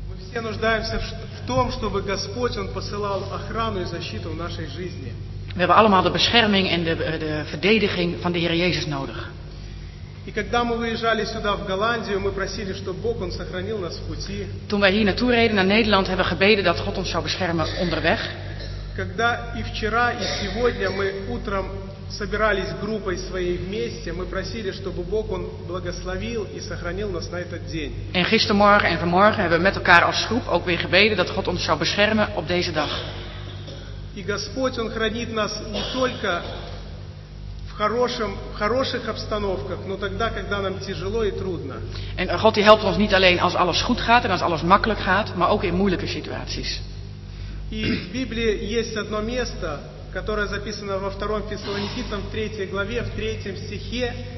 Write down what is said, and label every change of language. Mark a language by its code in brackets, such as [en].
[ru] все нуждаемся в том, чтобы Господь он посылал охрану и защиту в нашей жизни. [nl] We hebben allemaal de bescherming en de verdediging van de Heer Jezus nodig. [ru] И когда мы выезжали сюда в Голландию, мы просили, чтобы Бог он сохранил нас в пути. [nl] Toen wij hier naartoe reden naar Nederland, hebben we gebeden dat God ons zou beschermen onderweg. [ru] Когда и вчера и сегодня мы утром собирались группой своей вместе, мы просили, чтобы Бог он благословил и сохранил нас на этот день. [nl] En gistermorgen en vanmorgen hebben we met elkaar als groep ook weer gebeden dat God ons zou beschermen op deze dag. [ru] И Господь он хранит нас не только в хороших обстановках, но тогда, когда нам тяжело и трудно. [nl] En God die helpt ons niet alleen als alles goed gaat en als alles makkelijk gaat, maar ook in moeilijke situaties. [ru] И в Библии есть одно место, которое записано во 2 Фессалоникийцам, в 3 главе, в 3 стихе.